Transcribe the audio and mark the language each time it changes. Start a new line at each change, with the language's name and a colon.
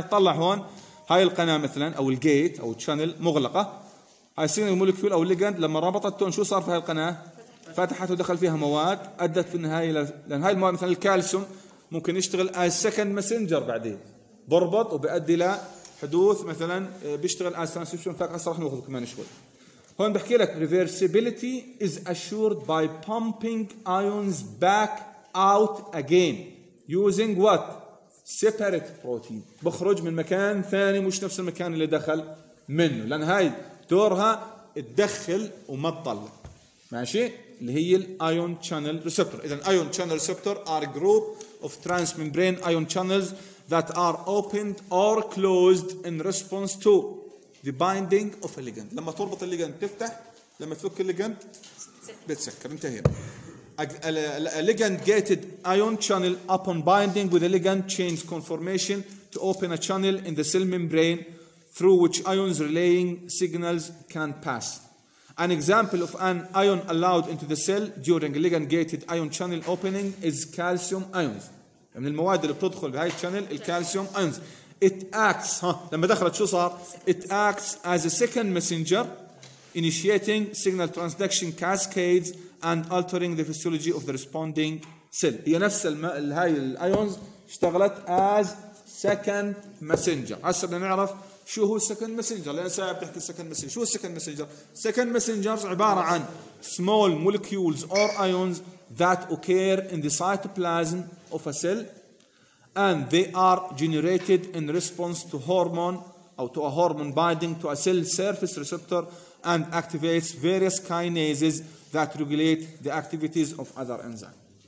Arabic: تطلع هون هاي القناة مثلا أو الجيت أو تشانل مغلقة، هاي سيجنال موليكيول أو الليجند لما ربطتهم شو صار في هاي القناة؟ فتحت ودخل فيها مواد، أدت في النهاية لأن هاي المواد مثلا الكالسيوم ممكن يشتغل
English: as second messenger
Arabic: بعدين بربط وبيؤدي لحدوث مثلا بيشتغل
English: as transcription factor.
Arabic: راح نأخذ كمان شوي. هون بحكي لك
English: reversibility is assured by pumping ions back out again using what separate protein.
Arabic: بخرج من مكان ثاني مش نفس المكان اللي دخل منه، لأن هاي دورها تدخل وما تطلع، ماشي، اللي هي
English: ion channel receptor.
Arabic: إذا
English: ion channel receptor are a group of transmembrane ion channels that are opened or closed in response to the binding of a ligand.
Arabic: لما تربط الليجند تفتح، لما تفك الليجند بتسكر، انتهي.
English: A ligand gated ion channel upon binding with a ligand changes conformation to open a channel in the cell membrane through which ions relaying signals can pass. An example of an ion allowed into the cell during a ligand gated ion channel opening is calcium ions.
Arabic: من المواد اللي بتدخل بهاي الشانل الكالسيوم
English: ions. It acts
Arabic: لما دخلت شو صار؟
English: It acts as a second messenger initiating signal transduction cascades and altering the physiology of the responding cell.
Arabic: هي نفس هاي الايونز اشتغلت
English: as second messenger.
Arabic: هسه بدنا نعرف شو هو second messenger، لان ساعه بتحكي second messenger، شو هو second messenger؟
English: Second messengers
Arabic: عباره عن
English: small molecules or ions that occur in the cytoplasm of a cell and they are generated in response to hormone or to a hormone binding to a cell surface receptor and activates various kinases that regulate the activities of other enzymes.